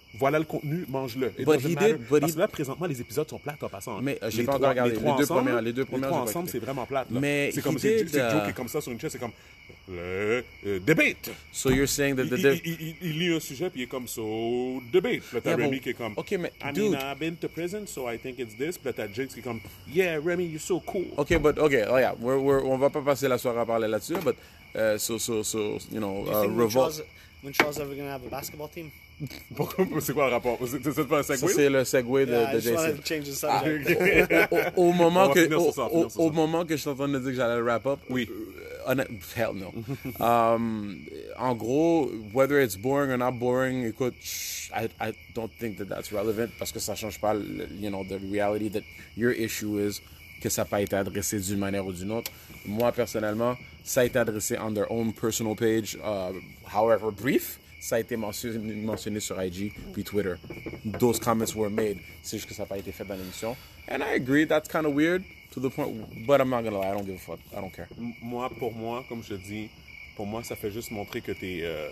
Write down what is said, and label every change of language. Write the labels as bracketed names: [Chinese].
[French] voilà le contenu, mange-le. Et [English] but he did, matter, [French] but parce que là, présentement, les épisodes sont plates, en passant. Mais j'ai pas encore regardé les deux premières. Les deux premières, les trois ensemble, c'est vraiment plate. Là. Mais c'est comme si Joe qui est comme ça sur une chaise, c'est comme le debate. [English] So you're saying that [French] il lit un sujet, puis il est comme [English] so debate. [French] Puis là, t'as Remy qui est comme okay, mais, [English] I mean, I've been to prison, so I think it's this. [French] Puis là, t'as Jinx qui est comme [English] yeah, Remy, you're so cool. [French] OK, but OK, oh yeah, on va pas passer la soirée à parler là-dessus, but so, [English] you know, [French] revolt. [English] When Charles ever gonna have a basketball team? [French] C'est quoi le rapport? C'est pas un segway? Ça, c'est le segway de Jason. [English] Just wanted to change the subject. [French] Au moment que je suis en train de dire que j'allais le [English] wrap up, [French] oui. [English] Hell no. En gros, whether it's boring or not boring, écoute, I don't think that that's relevant [French] parce que ça change pas [English] the reality that your issue is [French] que ça n'a pas été adressé d'une manière ou d'une autre. Moi, personnellement, ça a été adressé [English] on their own personal page, however brief. [French] Ça a été mentionné sur IG puis Twitter. [English] Those comments were made. [French] C'est juste que ça n'a pas été fait dans l'émission. [English] And I agree, that's kind of weird to the point. But I'm not gonna lie, I don't give a fuck. I don't care. [French] Moi, pour moi, comme je te dis, pour moi, ça fait juste montrer que t'es.